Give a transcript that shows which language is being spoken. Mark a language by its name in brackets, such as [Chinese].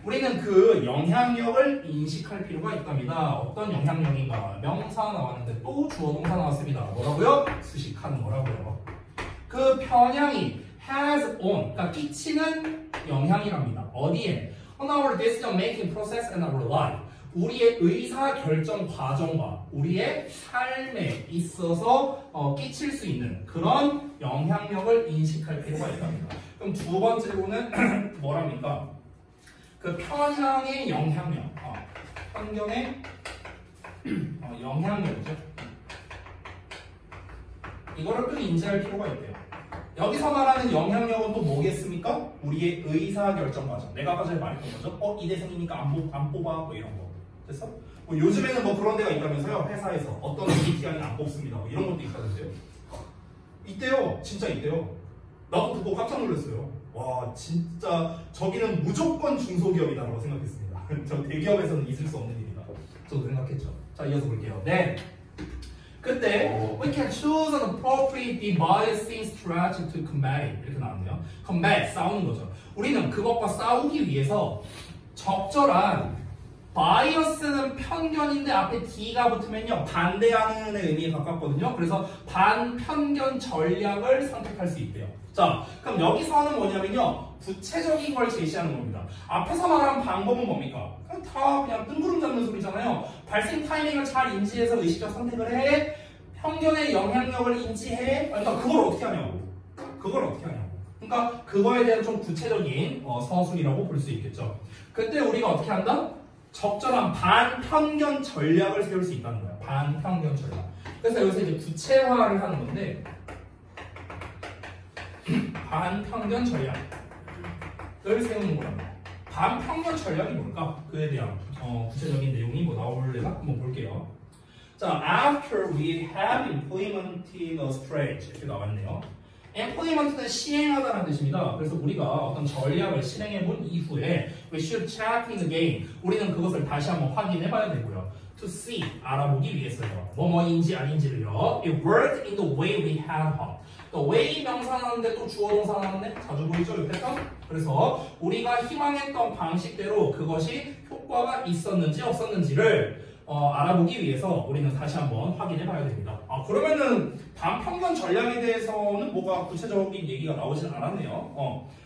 [Korean] 우리는 그 영향력을 인식할 필요가 있답니다. 어떤 영향력인가? 명사 나왔는데 또 주어 동사 나왔습니다. 뭐라고요? 수식하는 거라고요. 그 편향이 has on, 그러니까 끼치는 영향이랍니다. 어디에? [English] On our decision making process and our life. [Korean] 우리의 의사결정 과정과 우리의 삶에 있어서 끼칠 수 있는 그런 영향력을 인식할 필요가 있답니다. 그럼 두 번째로는 뭐랍니까? 그 편향의 영향력, 환경의 영향력이죠. 이거를 또 인지할 필요가 있대요. 여기서 말하는 영향력은 또 뭐겠습니까? 우리의 의사결정 과정. 내가 아까 전에 말했던 거죠. 이 대생이니까 안 뽑아. 뭐 이런 거. 됐어? 뭐 요즘에는 뭐 그런 데가 있다면서요. 회사에서. 어떤 MBTI는 안 뽑습니다. 뭐 이런 것도 있다던데요. 있대요. 진짜 있대요. 나도 듣고 깜짝 놀랐어요. 와, 진짜. 저기는 무조건 중소기업이다라고 생각했습니다. 저 대기업에서는 있을 수 없는 일이다. 저도 생각했죠. 자, 이어서 볼게요. 네. 그때 [English] we can choose an appropriate debiasing strategy to combat it. [Korean] 이렇게 나왔네요. combat 싸우는 거죠. 우리는 그것과 싸우기 위해서 적절한 바이어스는 편견인데 앞에 D가 붙으면요 반대하는 의미에 가깝거든요. 그래서 반편견 전략을 선택할 수 있대요. 자, 그럼 여기서는 뭐냐면요 구체적인 걸 제시하는 겁니다. 앞에서 말한 방법은 뭡니까? 다 그냥 뜬구름 잡는 소리잖아요. 발생 타이밍을 잘 인지해서 의식적 선택을 해. 편견의 영향력을 인지해. 그러니까 그걸 어떻게 하냐고. 그걸 어떻게 하냐고. 그러니까 그거에 대한 좀 구체적인 서술이라고 볼 수 있겠죠. 그때 우리가 어떻게 한다? 적절한 반편견 전략을 세울 수 있다는 거야. 반편견 전략. 그래서 여기서 이제 구체화를 하는 건데 반편견 전략을 세우는 거랍니다. 반편견 전략이 뭘까? 그에 대한 구체적인 내용이 뭐 나올래나? 한번 볼게요. [English] 자, after we have implemented a strategy [Korean] 이렇게 나왔네요. Implement는 시행하다는 뜻입니다. 그래서 우리가 어떤 전략을 실행해 본 이후에 [English] we should check in again. [Korean] 우리는 그것을 다시 한번 확인해 봐야 되고요. To see, 알아보기 위해서요. 뭐뭐인지 아닌지를요. [English] It worked in the way we had hoped. [Korean] The way 명사 나왔는데 또 주어 동사 나왔네. 자주 보이죠, 옆에서? 그래서 우리가 희망했던 방식대로 그것이 효과가 있었는지 없었는지를 알아보기 위해서 우리는 다시 한번 확인해 봐야 됩니다. 아, 그러면은 반편견 전략에 대해서는 뭐가 구체적인 얘기가 나오진 않았네요.